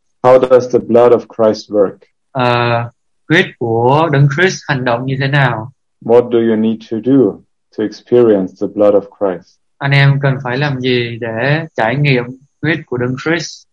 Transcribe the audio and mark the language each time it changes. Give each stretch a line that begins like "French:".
English: How does the blood of Christ work?
Vietnamese: Huyết của Đấng Christ hành động như thế nào?
English: What do you need to do to experience the blood of Christ?
Vietnamese: Anh em cần phải làm gì để trải nghiệm huyết của Đấng Christ?